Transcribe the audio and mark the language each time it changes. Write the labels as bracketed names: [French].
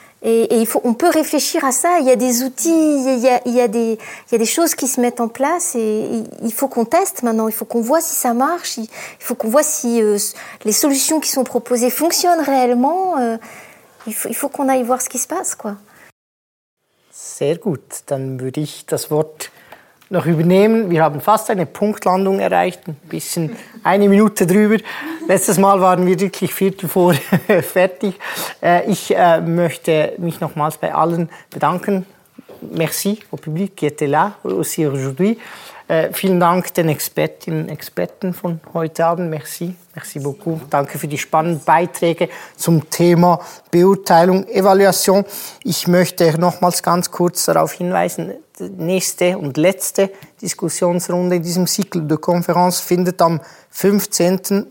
[French] Et il faut, on peut réfléchir à ça. Il y a des outils, il y a des choses qui se mettent en place et il faut qu'on teste maintenant. Il faut qu'on voit si ça marche. Il faut qu'on voit si les solutions qui sont proposées fonctionnent réellement. Il faut qu'on aille voir ce qui se passe, quoi. [German] Sehr gut. Dann würde ich das Wort noch übernehmen. Wir haben fast eine Punktlandung erreicht, ein bisschen eine Minute drüber. Letztes Mal waren wir wirklich 15:45 fertig. Ich möchte mich nochmals bei allen bedanken. [French] Merci au public qui était là aussi aujourd'hui. [German] Vielen Dank den Expertinnen und Experten von heute Abend. [French] Merci. Merci beaucoup. [German] Danke für die spannenden Beiträge zum Thema Beurteilung, Evaluation. Ich möchte nochmals ganz kurz darauf hinweisen, die nächste und letzte Diskussionsrunde in diesem Cycle de Conférence findet am 15.